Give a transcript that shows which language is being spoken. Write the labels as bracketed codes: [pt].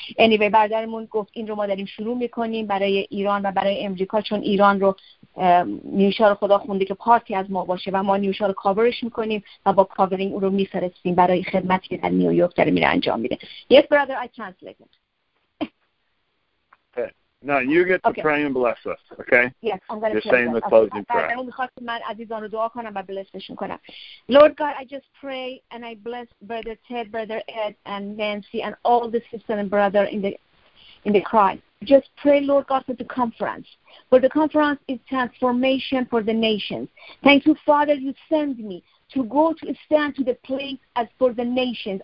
[fa] anyway برادرمون گفت این رو ما داریم شروع میکنیم برای ایران و برای امریکا، چون ایران رو نیوشا رو خدا خونده که پارتی از ما باشه و ما نیوشا رو کاورش میکنیم و با کاورینگ اون رو میفرستیم برای خدمتی که در نیویورک داره میره انجام میده. [en] Yes, brother, I translate. Okay. No, you get to pray and bless us, okay? Yes, I'm going to pray. You're saying the closing prayer. [fa] من میخواستم من عزیزان رو دعا کنم و بلسشون کنم. [en] Lord God, I just pray and I bless brother Ted, brother Ed and Nancy and all the sister and brother in the Christ. Just pray, Lord God, for the conference. For the conference is transformation for the nations. Thank you, Father, you send me to go to stand to the place as for the nations.